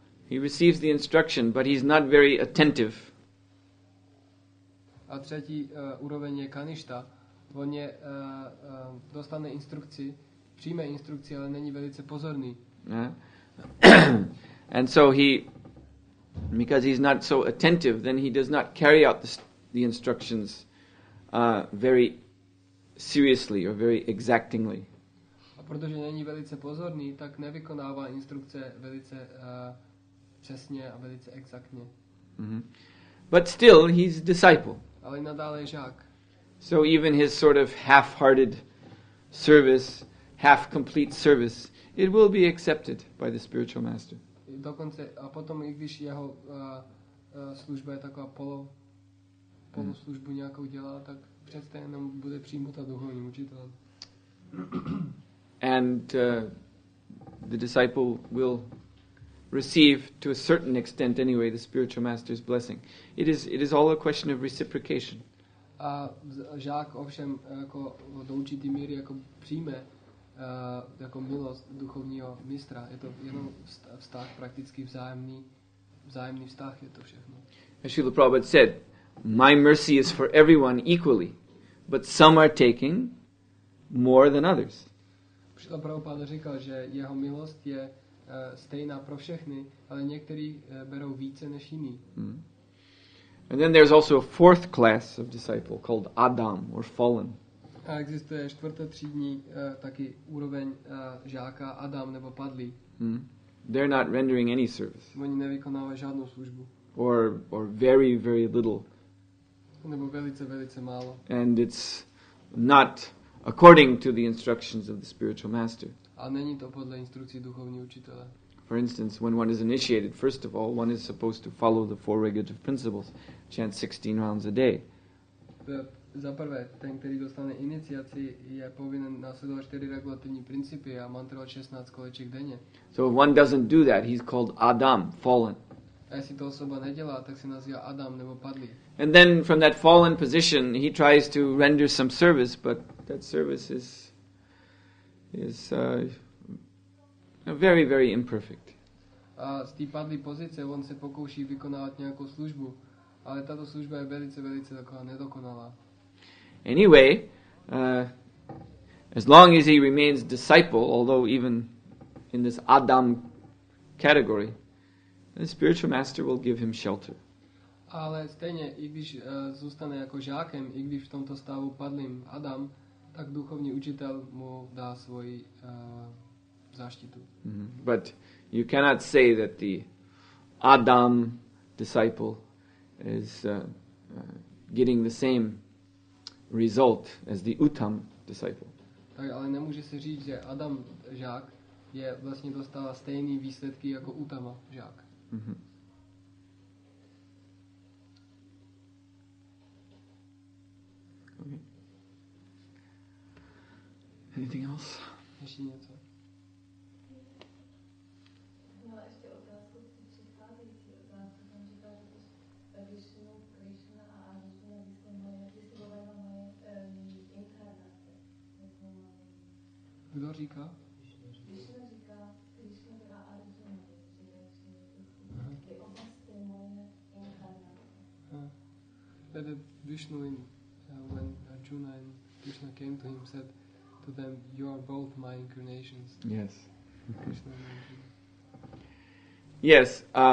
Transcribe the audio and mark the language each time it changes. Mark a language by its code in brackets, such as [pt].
[en] He receives the instruction, but he's not very attentive. [cs] A třetí úroveň je Kanishta. On je dostane instrukci, přijme instrukci, ale není velice pozorný. [en] And so he, because he's not so attentive, then he does not carry out the instructions very seriously or very exactingly. [cs] A protože není velice pozorný, tak nevykonává instrukce velice přesně a velice exaktně. [en] Mm-hmm. But still, he's a disciple. [cs] Ale nadále je žák. [en] So even his sort of half-hearted service, half-complete service, it will be accepted by the spiritual master. [cs] Dokonce, a potom, i když jeho služba je taková polo službu nějakou dělá, tak přece jenom bude přijmuta duchovním učitelem. [en] And the disciple will receive to a certain extent anyway the spiritual master's blessing. It is all a question of reciprocation. [cs] A žák ovšem jako do určité míry jako přijme jako milost duchovního mistra. Je to jenom vztah prakticky vzájemný vztah, je to všechno. [en] As Srila Prabhupada said, my mercy is for everyone equally, but some are taking more than others. [cs] Srila Prabhupada říkal, že jeho milost je stejná pro všechny, ale někteří berou více než jiní. Mm. [en] And then there's also a fourth class of disciple called Adam or fallen. [cs] A existuje čtvrtotřídní taky úroveň žáka Adam nebo padlý. [en] Mm. They're not rendering any service. [cs] Oni nevykonávají žádnou službu. [en] Or very very little. [cs] Nebo velice velice málo. [en] And it's not according to the instructions of the spiritual master. [cs] A není to podle instrukcí duchovního učitele. [en] For instance, when one is initiated, first of all, one is supposed to follow the four regulative principles, chant 16 rounds a day. [cs] Za prvé, ten, který dostane iniciaci, je povinen následovat čtyři regulativní principy a mantrovat 16 koleček denně. [en] So if one doesn't do that, he's called Adam, fallen. [cs] A jestli to osoba nedělá, tak se nazývá Adam nebo padlý. [en] And then from that fallen position, he tries to render some service, but that service is very very imperfect. [cs] A z té padlé pozice on se pokouší vykonávat nějakou službu, ale tato služba je velice velice taková nedokonalá. [en] Anyway, as long as he remains disciple, although even in this Adam category, the spiritual master will give him shelter. [cs] Ale stejně, i když zůstane jako žákem, i když v tomto stavu padlým Adam, tak duchovní učitel mu dá svoji záštitu. Mm-hmm. [en] But you cannot say that the Adam disciple is getting the same result as the Uttam disciple. [cs] Tak, ale nemůže se říct, že Adam žák je vlastně dostala stejný výsledky jako Uttama žák. Mm-hmm. [en] Anything else? [cs] Ještě něco. Měla ještě otázku k předcházející otázce. Tam říká, že když Vishnu, Krishna a Arjuna vyslovovali na moje inkarnace. Kdo říká? Vishnu říká Krishna a Arjuna. Ty oba jste moje inkarnace. [en] Tedy Vishnu in when Arjuna and Krishna came to him said to them, you are both my incarnations. Yes. Krishna. Yes.